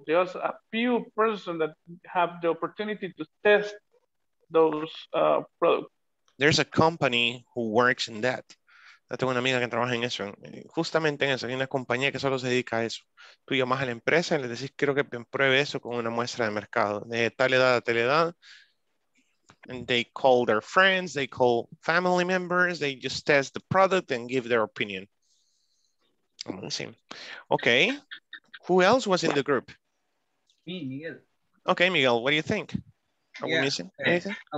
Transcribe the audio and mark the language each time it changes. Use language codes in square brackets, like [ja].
[en] just a few person that have the opportunity to test those products. There's a company who works in that. [es] Yo tengo una amiga que trabaja en eso, justamente en eso. Hay una compañía que solo se dedica a eso. Tú llamas a la empresa y le decís, quiero que pruebe eso con una muestra de mercado. De tal edad a tal edad. [en] And they call their friends, they call family members, they just test the product and give their opinion. Amazing. Okay. Who else was in the group? Me, Miguel. Okay, Miguel, what do you think? Are we missing anything?